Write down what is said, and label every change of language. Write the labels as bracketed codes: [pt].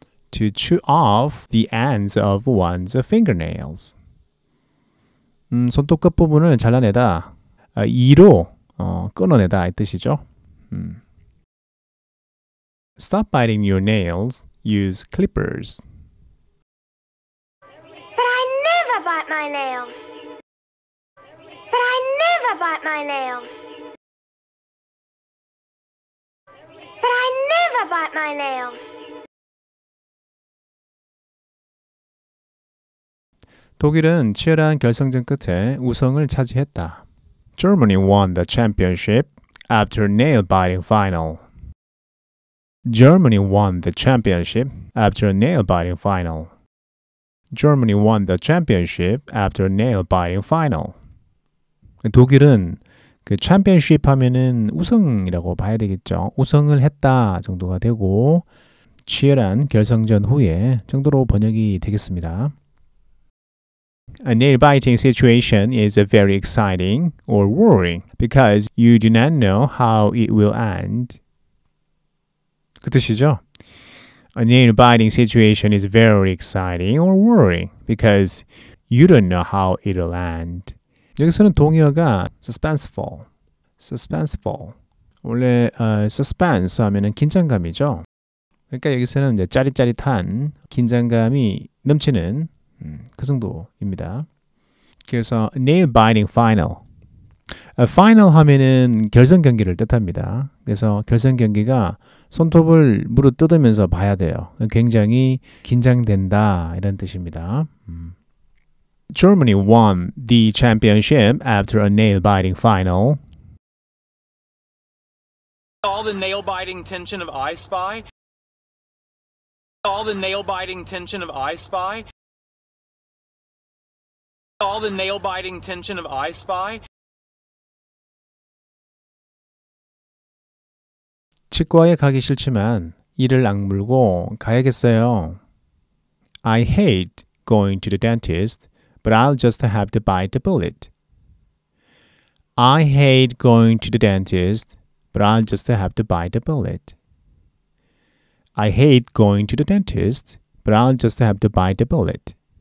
[en] To chew off the ends of one's fingernails. [ko] 손톱 끝부분을 잘라내다, 이로 끊어내다 이 뜻이죠. [en] Stop biting your nails. Use clippers. But I never bite my nails. But I never bite my nails. But I never bite my nails. [ko] 독일은 치열한 결승전 끝에 우승을 차지했다. [en] Germany won the championship after nail-biting final. Germany won the championship after a nail-biting final. Germany won the championship after a nail-biting final. [ko] 독일은 그 championship 하면은 우승이라고 봐야 되겠죠. 우승을 했다 정도가 되고 치열한 결승전 후에 정도로 번역이 되겠습니다. [en] A nail-biting situation is very exciting or worrying because you do not know how it will end. [ko] 그 뜻이죠? [en] A nail-biting situation is very exciting or worrying because you don't know how it'll end. [ko] 여기서는 동의어가 suspenseful. suspenseful. 원래 suspense 하면은 긴장감이죠. 그러니까 여기서는 이제 짜릿짜릿한 긴장감이 넘치는 그 정도입니다. 그래서 [en] nail-biting final. [ko] Final 하면은 결선 경기를 뜻합니다. 그래서 결선 경기가 손톱을 무릎 뜯으면서 봐야 돼요. 굉장히 긴장된다 이런 뜻입니다. [en] Germany won the championship after a nail-biting final. All the nail-biting tension of I Spy. All the nail-biting tension of I Spy. All the nail-biting tension of I Spy. [ko] 치과에 가기 싫지만 이를 악물고 가야겠어요. [en] I hate going to the dentist, but I'll just have to bite the bullet. I hate going to the dentist, but I'll just have to bite the bullet. I hate going to the dentist, but I'll just have to bite the bullet.